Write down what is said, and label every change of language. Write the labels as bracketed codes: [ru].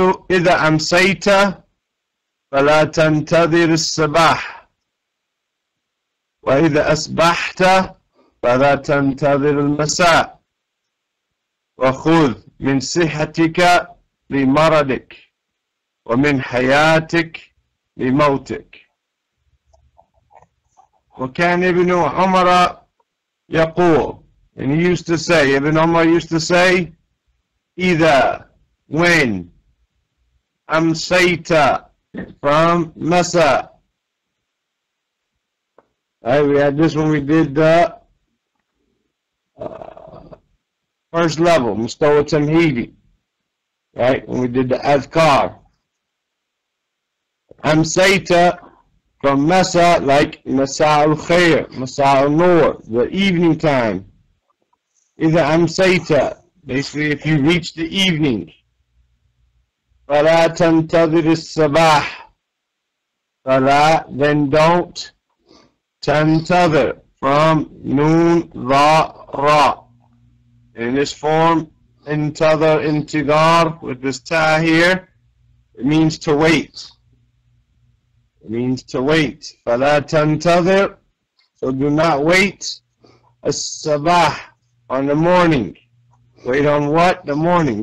[ar] إذا أمسيت فلا تنتظر الصباح وإذا أصبحت فلا تنتظر المساء وخذ من صحتك لمرضك ومن حياتك لموتك. وكان ابن عمر يقول, [en] and he used to say, Ibn Umar used to say, إذا, when, أمسيت from مساء. Right, we had this when we did the first level, Mustawa Tamhidi. Right, when we did the Azkar. أمسيت from مساء, like [ar] مساء الخير, مساء النور, [en] the evening time. [ar] إذا أمسيت, [en] basically if you reach the evening. [ar] فلا تنتظر الصباح. [en] فلا, then don't. تنتظر, from نون ضاء راء. In this form, انتظر انتظار, with this تاء here, it means to wait. It means to wait. [ar] فلا تنتظر, [en] so do not wait. الصباح, on the morning. Wait on what? The morning.